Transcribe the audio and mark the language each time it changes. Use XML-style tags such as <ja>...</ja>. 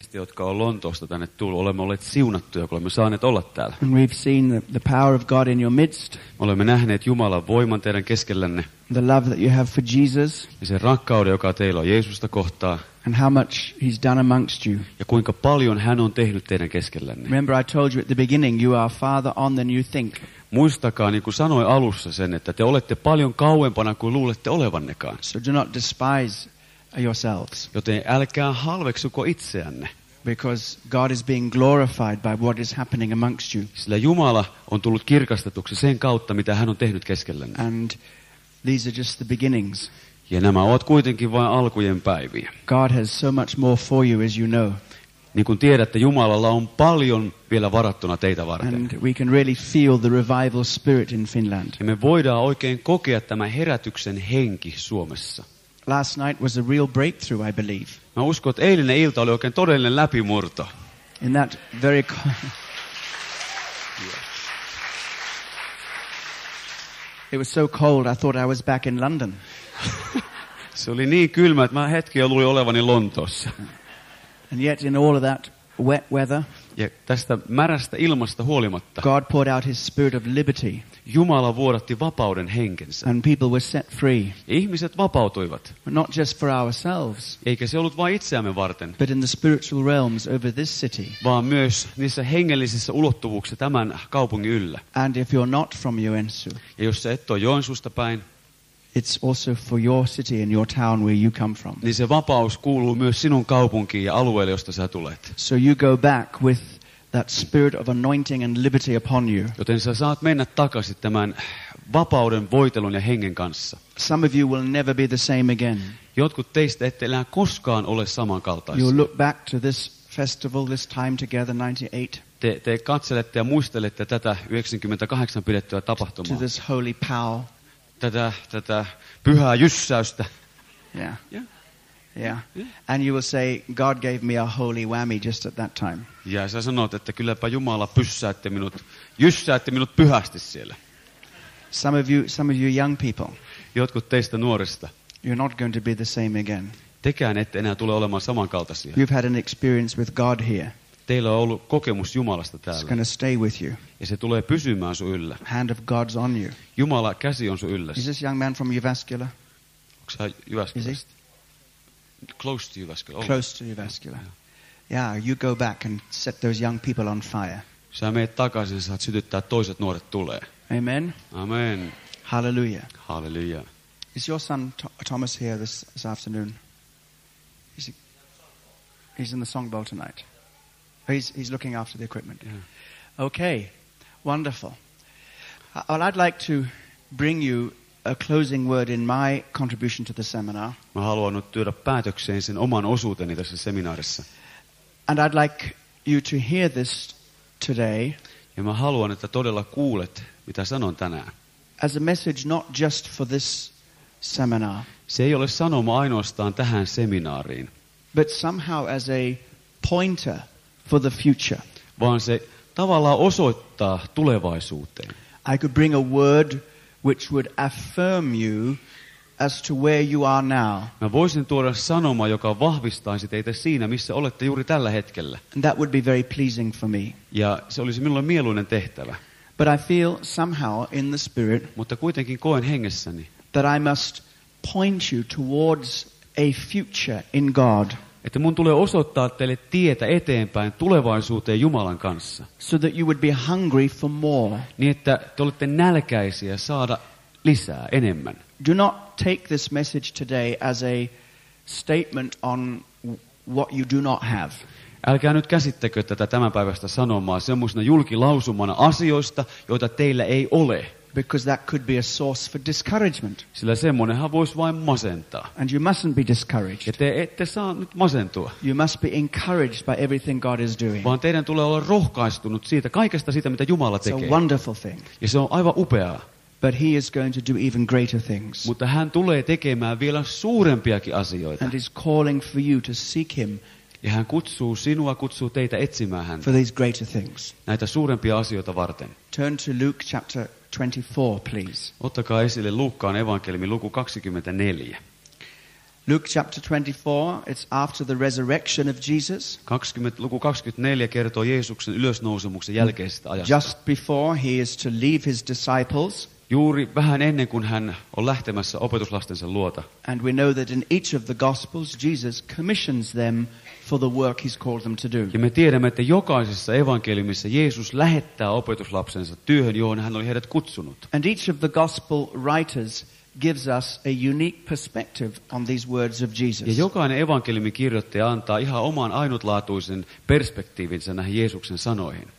<fi>ihmiset, jotka on Lontoosta tänne tullut, olemme olleet siunattuja, kun olemme saaneet olla täällä.</fi> <en>And we've seen the power of God in your midst.</en> <fi>Olemme nähneet Jumalan voiman teidän keskellänne.</fi> <en>The love that you have for Jesus.</en> <fi>Ja sen rakkauden, joka teillä on Jeesusta kohtaa.</fi> <en>And how much he's done amongst you.</en> <fi>Ja kuinka paljon hän on tehnyt teidän keskellänne.</fi> <en>Remember I told you at the beginning, you are farther on than you think.</en> <fi>Muistakaa, niin kuin sanoin alussa sen, että te olette paljon kauempana kuin luulette olevannekaan.</fi> <en>So do not despise yourselves.</en> <fi>Joten älkää halveksuko itseänne.</fi> <en>Because God is being glorified by what is happening amongst you.</en> <fi>Sillä Jumala on tullut kirkastetuksi sen kautta, mitä hän on tehnyt keskellänne.</fi> <en>And these are just the beginnings.</en> <fi>Ja nämä ovat kuitenkin vain alkujen päiviä.</fi> <en>God has so much more for you, as you know.</en> <fi>Niin kuin tiedätte, Jumalalla on paljon vielä varattuna teitä varten.</fi> <en>And we can really feel the revival spirit in Finland.</en> <fi>Ja me voidaan oikein kokea tämä herätyksen henki Suomessa.</fi> <en>Last night was a real breakthrough, I believe.</en> <fi>Mä uskon, että eilinen ilta oli oikein todellinen läpimurto.</fi> <en>In that very It was so cold, I thought I was back in London.</en> <fi>Se oli niin kylmä, että mä hetki luulin olevani Lontoossa.</fi> <en>And yet in all of that wet weather,</en> <fi>ja tästä märästä ilmasta huolimatta,</fi> <en>God poured out his spirit of liberty.</en> <fi>Jumala vuodatti vapauden henkensä.</fi> <en>And people were set free.</en> <fi>Ihmiset vapautuivat.</fi> <en>But not just for ourselves.</en> <fi>Eikä se ollut vain itseämme varten.</fi> <en>But in the spiritual realms over this city.</en> <fi>Vaan myös niissä hengellisissä ulottuvuuksissa tämän kaupungin yllä.</fi> <en>And if you're not from Joensuu.</en> <fi>Ja jos sä et ole Joensuusta päin.</fi> <en>It's also for your city and your town where you come from.</en> <fi>Niin se vapaus kuuluu myös sinun kaupunkiin ja alueelle, josta sä tulet.</fi> <en>So you go back with that spirit of anointing and liberty upon you.</en> <fi>Joten sä saat mennä takaisin tämän vapauden, voitelun ja hengen kanssa.</fi> <en>Some of you will never be the same again.</en> <fi>Jotkut teistä ette enää koskaan ole samankaltaisia.</fi> <en>You look back to this festival, this time together, 98.</en> <fi>Te katselette ja muistelette tätä 98 pidettyä tapahtumaa.</fi> <en>To this holy pow.</en> <fi>Tätä pyhää jyssäystä.</fi> <en>Yeah. Yeah. And you will say God gave me a holy whammy just at that time.</en> <fi>Ja sä sanot, että kylläpä Jumala jyssäätti minut pyhästi siellä.</fi> <en>Some of you young people.</en> <fi>Jotkut teistä nuorista.</fi> <en>You're not going to be the same again.</en> <fi>Tekään ette enää tule olemaan samankaltaisia.</fi> <en>You've had an experience with God here.</en> <fi>Teillä on ollut kokemus Jumalasta täällä.</fi> <en>It's going to stay with you.</en> <fi>Ja se tulee pysymään sun yllä.</fi> <en>Hand of God's on you.</en> <fi>Jumala käsi on sun yllä.</fi> <en>Is this young man from Jyväskylä?</en> <fi>Onko sä Jyväskylästä?</fi> <en>Close to Jyväskylä. Close to Jyväskylä. Yeah, you go back and set those young people on fire.</en> <fi>Sä meet takaisin, saat sytyttää toiset nuoret tulee.</fi> <en>Amen.</en> <fi>Amen.</fi> <en>Hallelujah.</en> <fi>Hallelujah.</fi> <en>Is your son Thomas here this afternoon? He's in the song bowl tonight. He's looking after the equipment. Yeah. Okay, wonderful. Well, I'd like to bring you a closing word in my contribution to the seminar.</en> <fi>Mä haluan nyt tuoda päätökseen sen oman osuuteni tässä seminaarissa.</fi> <en>And I'd like you to hear this today.</en> <fi>Ja mä haluan, että todella kuulet, mitä sanon tänään.</fi> <en>As a message not just for this seminar.</en> <fi>Se ei ole sanoma ainoastaan tähän seminaariin.</fi> <en>But somehow as a pointer for the future.</en> <fi>Vaan se tavallaan osoittaa tulevaisuuteen.</fi> <en>I could bring a word which would affirm you as to where you are now.</en> <fi>Mä voisin tuoda sanoma, joka vahvistaisi teitä siinä, missä olette juuri tällä hetkellä.</fi> <en>And that would be very pleasing for me.</en> <fi>Ja se olisi minulle mieluinen tehtävä.</fi> <en>But I feel somehow in the spirit,</en> <fi>mutta kuitenkin koen hengessäni,</fi> <en>that I must point you towards a future in God.</en> <fi>Että mun tulee osoittaa teille tietä eteenpäin tulevaisuuteen Jumalan kanssa.</fi> <en>So that you would be hungry for more.</en> <fi>Niin että te olette nälkäisiä saada lisää, enemmän.</fi> <en>Do not take this message today as a statement on what you do not have.</en> <fi>Älkää nyt käsittäkö tätä tämän päivästä sanomaa semmoisena julkilausumana asioista, joita teillä ei ole.</fi> <en>Because that could be a source for discouragement.</en> <fi>Sillä semmoinenhan voisi vain masentaa.</fi> <en>And you mustn't be discouraged.</en> <fi>Ja te ette saa nyt masentua.</fi> <en>You must be encouraged by everything God is doing.</en> <fi>Vaan teidän tulee olla rohkaistunut siitä, kaikesta siitä, mitä Jumala tekee.</fi> <en>It's a wonderful thing.</en> <fi>Ja se on aivan upeaa.</fi> <en>But he is going to do even greater things.</en> <fi>Mutta hän tulee tekemään vielä suurempiakin asioita.</fi> <en>And he's calling for you to seek him.</en> <fi>Ja hän kutsuu sinua, kutsuu teitä etsimään häntä.</fi> <en>For these greater things.</en> <fi>Näitä suurempia asioita varten.</fi> <en>Turn to Luke chapter 24, please.</en> <fi>Ottakaa esille Luukkaan evankeliumi luku 24.</fi> <en>Luke chapter 24, it's after the resurrection of Jesus.</en> <fi>Luku 24 kertoo Jeesuksen ylösnousemuksen jälkeisestä ajasta.</fi> <en>Just before he is to leave his disciples.</en> <fi>Juuri vähän ennen kuin hän on lähtemässä opetuslastensa luota.</fi> <en>And we know that in each of the gospels Jesus commissions them for the work he's called them to do.</en> <fi>Ja me tiedämme, että jokaisessa evankeliumissa Jeesus lähettää opetuslapsensa työhön, johon hän oli heidät kutsunut.</fi> <en>And each of the gospel writers gives us a unique perspective on these words of Jesus.</en> <fi>Ja jokainen evankeliumin kirjoittaja antaa ihan oman ainutlaatuisen perspektiivinsä näihin Jeesuksen sanoihin.</fi>